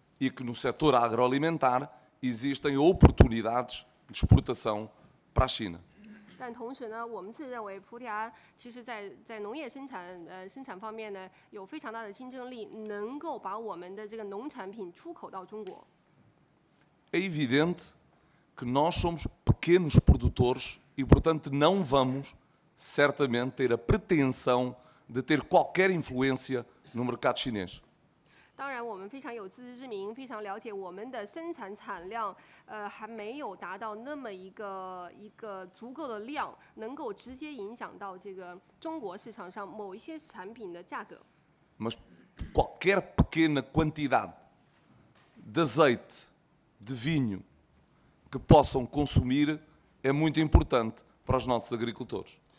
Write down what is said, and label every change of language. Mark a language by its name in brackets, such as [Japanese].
[Portuguese] E que no setor agroalimentar existem oportunidades de exportação para a China. [Chinese] 但同时呢，我们自认为葡萄牙其实在农业生产方面呢，有非常大的竞争力，能够把我们的这个农产品出口到中国。 [Portuguese] É evidente que nós somos pequenos produtores e, portanto, não vamos certamente ter a pretensão de ter qualquer influência no mercado chinês. [Chinese] 当然，我们非常有自知之明，非常了解我们的生产产量，还没有达到那么一个足够的量，能够直接影响到这个中国市场上某一些产品的价格。 [Portuguese] Mas qualquer pequena quantidade de azeite, de vinho que possam consumir é muito importante para os nossos agricultores.